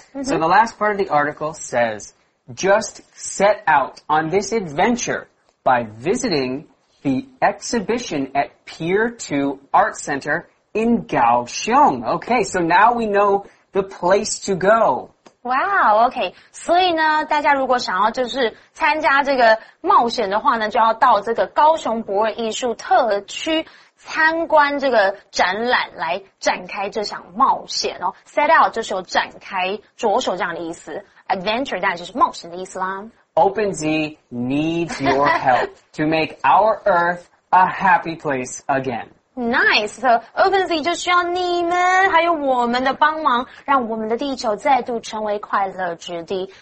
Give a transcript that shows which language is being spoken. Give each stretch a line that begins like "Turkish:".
English: So the last part of the article says, just set out on this adventure by visiting the exhibition at Pier 2 Art Center in Kaohsiung. Okay, so now we know the place to go. Wow, okay.
Chinese: 所以呢，大家如果想要就是参加这个冒险的话呢，就要到这个高雄博尔艺术特区参观这个展览来展开这项冒险哦。 Set out 就是有展开着手这样的意思。Adventure 当然就是冒险的意思啦。
English: OpenZ needs your help to make our Earth a happy place again. Nice, so
Chinese: OpenZ 就需要你们还有我们的帮忙，让我们的地球再度成为快乐之地。